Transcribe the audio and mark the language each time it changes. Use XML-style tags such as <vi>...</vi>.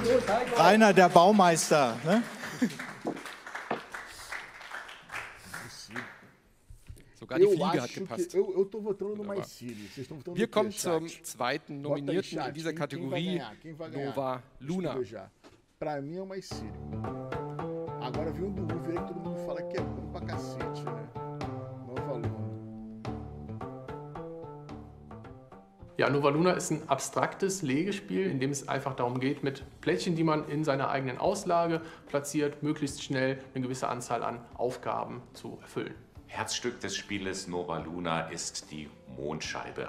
<de>Schönen Gruß, Heiko. Rainer, der Baumeister. Ne? Sogar die Fliege hat gepasst. Wir kommen zum zweiten Nominierten in dieser Kategorie, Nova Luna.</de> <pt>Para mim é o mais sério. Agora vem um dúvida que todo mundo fala que é bom pra cacete, né?</pt> <de>Ja, Nova Luna ist ein abstraktes Legespiel, in dem es einfach darum geht, mit Plättchen, die man in seiner eigenen Auslage platziert, möglichst schnell eine gewisse Anzahl an Aufgaben zu erfüllen. Herzstück des Spieles Nova Luna ist die Mondscheibe.</de>